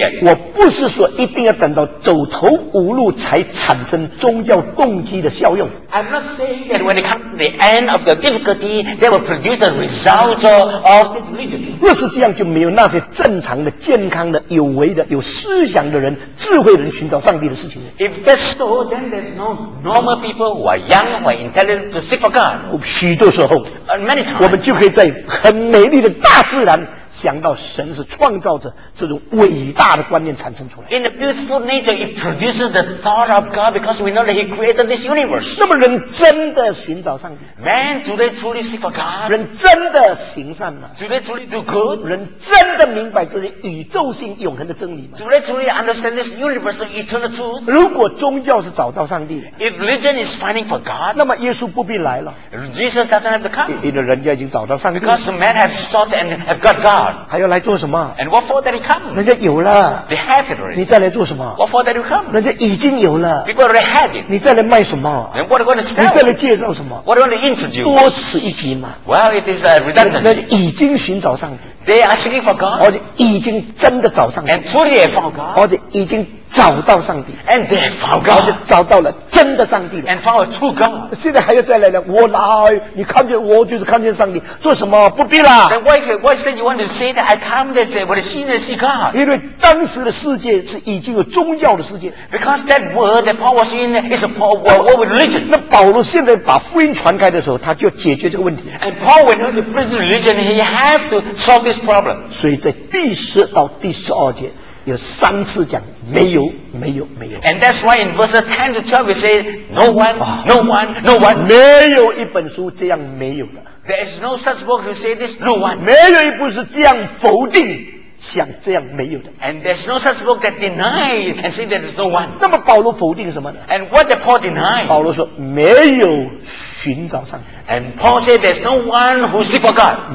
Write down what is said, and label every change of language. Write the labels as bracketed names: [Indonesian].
[Chinese] 我不是说一定要等到走投无路才产生宗教动机的效用。 [English] I'm not saying that when it comes to the end of the difficulty, they will produce the results of this religion. [Chinese] 若是这样，就没有那些正常的、健康的、有为的、有思想的人、智慧的人寻找上帝的事情。 [English] If that's so, then there's no normal people who are young or intelligent to seek for God. [Chinese] 许多时候 [English] ，many times， [Chinese] 我们就可以在很美丽的大自然。想到神是创造者这种伟大的观念产生出来。 [English] In a beautiful nature, it produces the thought of God because we know that He created this universe. [Chinese] 那么人真的寻找上帝 [English] ？Man, do they truly seek for God? [Chinese] 人真的行善吗 [English] ？Do they truly do good? [Chinese] 人真的明白这些宇宙性永恒的真理吗 [English] ？Do they truly understand this universe eternal truth? [Chinese] 如果宗教是找到上帝 [English] ，If religion is finding for God, [Chinese] 那么耶稣不必来了。 [English] Jesus doesn't have to come. [Chinese] 因为人家已经找到上帝。 [English] Because man have sought and have got God. [Chinese] 还要来做什么 [English] And what for that he come? [Chinese] 人家有了 [English] They have it already. [Chinese] 你再来做什么 [English] What for that you come? [Chinese] 人家已经有了 [English] People already had it. [Chinese] 你再来卖什么 [English] And what are you going to sell? [Chinese] 你再来介绍什么 [English] What are you going to introduce? [Chinese] 多此一举嘛 [English] Well, it is a redundancy. [Chinese] 人家已经寻找上帝 [English] They are seeking for God. [Chinese] 而且已经真的找上帝 [English] And truly they found God. [Chinese] 而且已经找到上帝 [English] And they found God. [Chinese] 而且找到了真的上帝 [English] And found a true God. [Chinese] 现在还要再来呢我来你看见我就是看见上帝做什么不必了 [English] Then why is it you want to say that I come to say what is seen and see God? [Chinese] 因为当时的世界是已经有宗教的世界 [English] Because that word that Paul was in is a world of religion. [Chinese] 那保罗现在把福音传开的时候他就解决这个问题 [English] And Paul when he preached religion he have to solve this problem. [Chinese] 所以在第十到第十二节有三次讲没有没有没有 [English] And that's why in verse 10 to 12 we say no one, no one, no one [Chinese] 没有一本书这样没有的 [English] There is no such book who say this, no one [Chinese] 没有一本书这样否定像这样没有的 [English] And there's no such book that denies and say there's no one [Chinese] 那么保罗否定什么呢 [English] And what did Paul deny? [Chinese] 保罗说没有寻找上帝 [English] And Paul said there's no one who seek for God